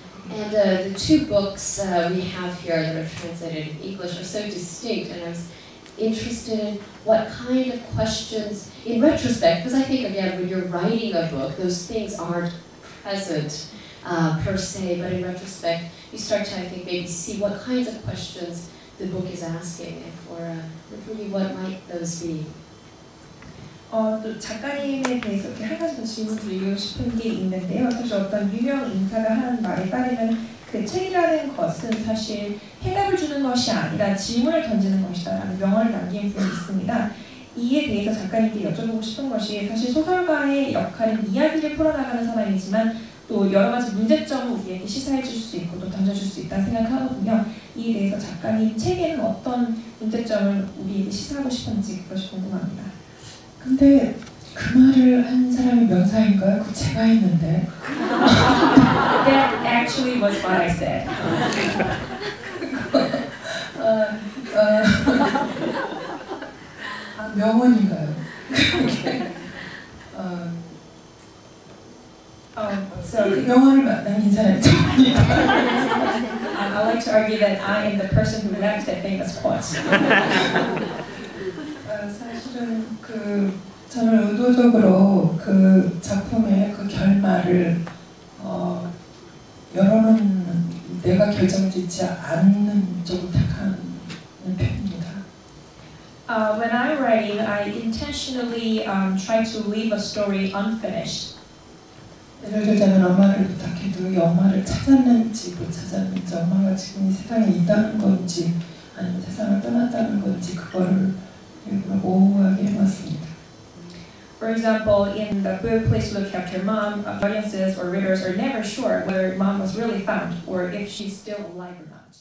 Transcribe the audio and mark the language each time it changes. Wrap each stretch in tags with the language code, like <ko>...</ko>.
<en>And the two books we have here that are translated in English are so distinct, and I was interested in what kind of questions, in retrospect, because I think, again, when you're writing a book, those things aren't present per se, but in retrospect, you start to, I think, maybe see what kinds of questions the book is asking, or really what might those be.</en> <ko>또 작가님에 대해서 이렇게 한 가지 더 질문 드리고 싶은 게 있는데요. 사실 어떤 유명 인사가 하는 말에 따르면 그 책이라는 것은 사실 해답을 주는 것이 아니라 질문을 던지는 것이다 라는 명언을 남긴 분이 있습니다. 이에 대해서 작가님께 여쭤보고 싶은 것이 사실 소설가의 역할은 이야기를 풀어나가는 사람이지만 또 여러 가지 문제점을 우리에게 시사해 줄 수 있고 또 던져 줄 수 있다 생각하거든요. 이에 대해서 작가님 책에는 어떤 문제점을 우리에게 시사하고 싶은지 그것이 궁금합니다. 근데 그 말을 한 사람이 명사인가요? 그거 제가 했는데.</ko> <en>That actually was what I said.</en> <ko>명언인가요?</ko> <en>So,</en> <ko>명언을 남긴 사람이 저입니다.</ko> <en>I like to argue that I am the person who left that famous quote.</en> <ko>사실은 그 저는 의도적으로 그 작품의 그 결말을 여러는 내가 결정짓지 않는 쪽을 택하는 편입니다.</ko> <en>When I'm writing, I intentionally try to leave a story unfinished.</en> <ko>예를 들자면 엄마를 부탁해도 이 엄마를 찾았는지 못 찾았는지 엄마가 지금 이 세상에 있다는 건지 아니면 세상을 떠났다는 건지 그거를 모호하게 해봤습니다.</ko> <en>For example, in the book Please Look After Mom, audiences or readers are never sure whether mom was really found or if she's still alive or not.</en>